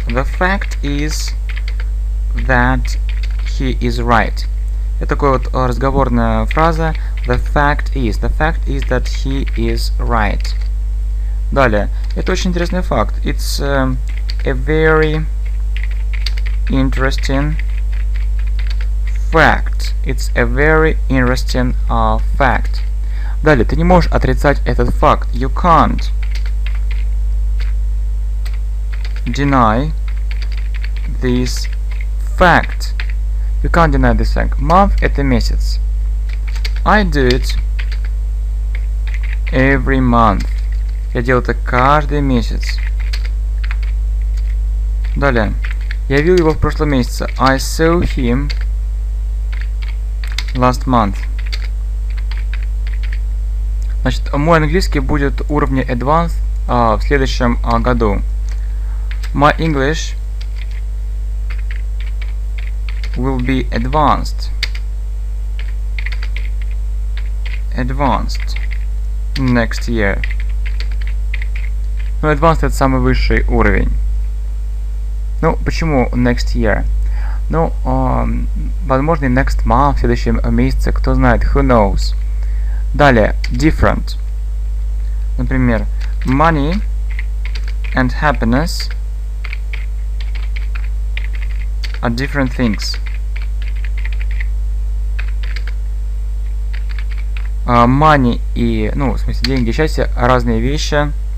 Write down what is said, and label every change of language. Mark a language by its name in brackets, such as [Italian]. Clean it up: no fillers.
[English] The fact is that he is right. [Russian] Это такая вот разговорная фраза. [English] The fact is. The fact is that he is right. [Russian] Далее. Это очень интересный факт. [English] It's a very interesting fact. It's a very interesting fact. [Russian] Далее, ты не можешь отрицать этот факт. [English] You can't deny this fact. You can't deny this fact. [Russian] Month – это месяц. [English] I do it every month. [Russian] Я делаю это каждый месяц. Далее. Я видел его в прошлом месяце. [English] I saw him last month. [Russian] Значит, мой английский будет уровня advanced в следующем году. [English] My English will be advanced. Advanced next year. [Russian] Ну, advanced — это самый высший уровень. Ну, почему [English] next year? [Russian] Ну, возможно, [English] next month, [Russian] в следующем месяце, кто знает, [English] who knows. [Russian] Далее, [English] different. [Russian] Например, [English] money and happiness are different things. [Russian] Money и, ну, в смысле, деньги и счастье – разные вещи.